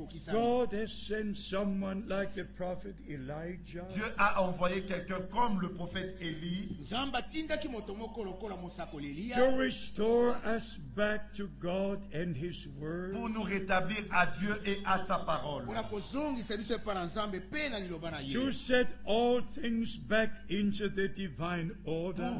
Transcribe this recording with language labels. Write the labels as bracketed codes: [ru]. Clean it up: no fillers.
[en] God has sent someone like the prophet Elijah. [fr] Dieu a envoyé quelqu'un comme le prophète Élie. [en] To restore us back to God and His Word. [fr] Pour nous rétablir à Dieu et à sa parole. [en] To set all things back into the divine order.